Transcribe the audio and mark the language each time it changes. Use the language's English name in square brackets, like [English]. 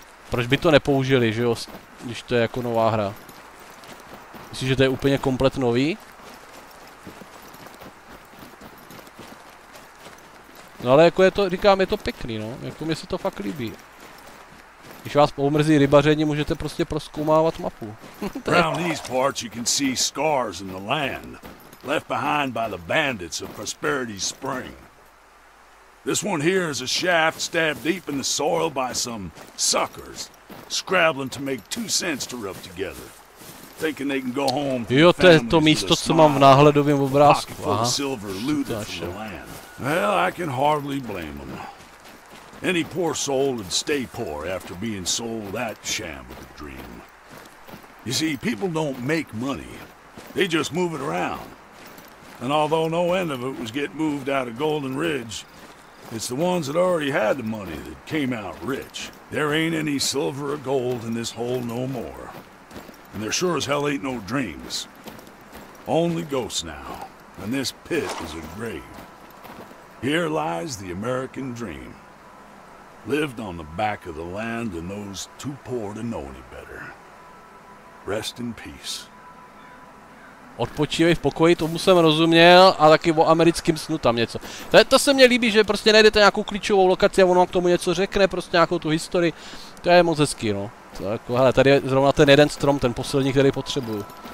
[Czech] Proč by to nepoužili, že jo, když to je jako nová hra. Myslím, že to je úplně komplet nový. No ale jako je to, říkám, je to pěkný, no, jako mě se to fakt líbí. Když vás pomrzí rybaření, můžete prostě prozkoumávat mapu. [English] Around these parts you can see scars in the land, left behind by the bandits of Prosperity Spring. This one here is a shaft stabbed deep in the soil by some suckers, scrabbling to make two cents to rub together, thinking they can go home. [Czech] Jo, to je to místo, co mám v náhledovém obrázku. Aha. [English] Silver looted from the land. Well, I can hardly blame them. Any poor soul would stay poor after being sold that sham of a dream. You see, people don't make money. They just move it around. And although no end of it was getting moved out of Golden Ridge, it's the ones that already had the money that came out rich. There ain't any silver or gold in this hole no more. And there sure as hell ain't no dreams. Only ghosts now. And this pit is a grave. Here lies the American dream. Lived on the back of the land and those too poor to know any better. Rest in peace. [Czech] Odpočívej v pokoji, tomu jsem rozuměl, a taky o americkém snu tam něco. To se mně líbí, že prostě najdete nějakou klíčovou lokaci a ono k tomu něco řekne, prostě nějakou tu historii. To je moc hezký, no. Tak, hele, tady je zrovna ten jeden strom, ten poslední, který potřebuju.